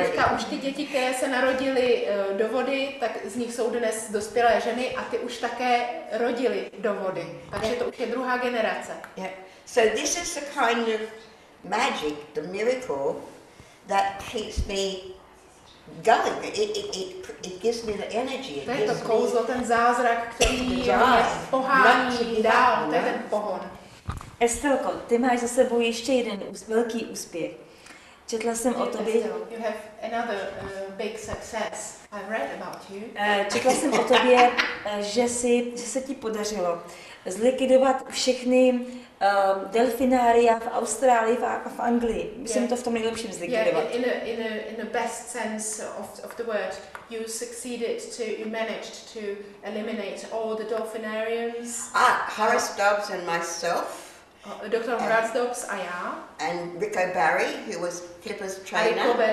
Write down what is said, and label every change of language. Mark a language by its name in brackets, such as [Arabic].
[Czech] A teďka už ty děti, které se narodily do vody, tak z nich jsou dnes dospělé ženy a ty už také rodily do vody. Takže yeah, to už je druhá generace. [English] Yeah. So this is the kind of magic, the miracle that keeps me going. It gives me the energy. [Czech] To je to kouzlo, ten zázrak, který mě pohání dál, to je ten pohon. Estelko, ty máš za sebou ještě jeden velký úspěch. Četla jsem o tobě. [English] You have another big success. I've read about you. [Czech] Četla jsem o tobě, že se ti podařilo zlikvidovat všechny delfinária v Austrálii a v Anglii. Myslím, yeah, to v tom nejlepším zlikvidovat. [English] Yeah, in the best sense of the word, you succeeded to, you managed to eliminate all the delfinariums. Horace Dobbs and myself. [Czech] Dr. Horace Dobbs a já. [English] And Rico Barry, who was Kipper's trainer.